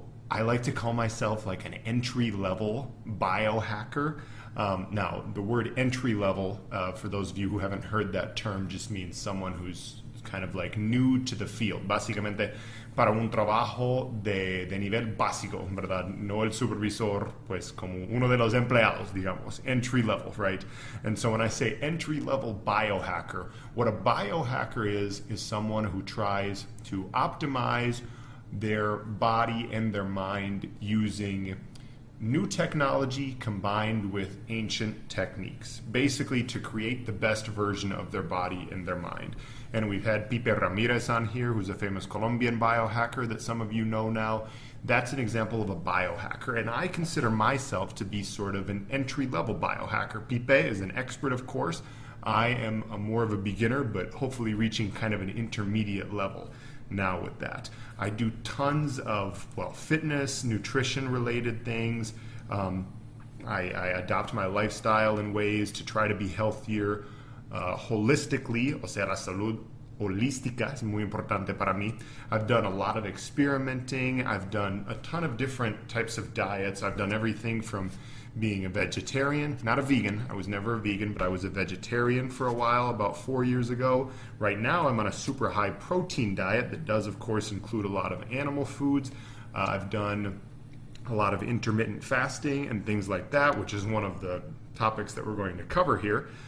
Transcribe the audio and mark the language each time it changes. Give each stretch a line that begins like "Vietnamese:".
English: I like to call myself like an entry-level biohacker. Now, the word entry-level, for those of you who haven't heard that term, just means someone who's kind of like new to the field.
Spanish: Básicamente, para un trabajo de nivel básico, ¿verdad? No el supervisor, pues como uno de los empleados, digamos, entry level, right?
English: And so when I say entry level biohacker, what a biohacker is someone who tries to optimize their body and their mind using new technology combined with ancient techniques, basically to create the best version of their body and their mind. And we've had Pipe Ramirez on here, who's a famous Colombian biohacker that some of you know now. That's an example of a biohacker. And I consider myself to be sort of an entry-level biohacker. Pipe is an expert, of course. I am a more of a beginner, but hopefully reaching kind of an intermediate level now with that. I do tons of, fitness, nutrition-related things. I adopt my lifestyle in ways to try to be healthier.
Spanish: Holistically, o sea, la salud holística es muy importante para mí.
English: I've done a lot of experimenting. I've done a ton of different types of diets. I've done everything from being a vegetarian, not a vegan. I was never a vegan, but I was a vegetarian for a while, about 4 years ago. Right now, I'm on a super high protein diet that does, of course, include a lot of animal foods. I've done a lot of intermittent fasting and things like that, which is one of the topics that we're going to cover here.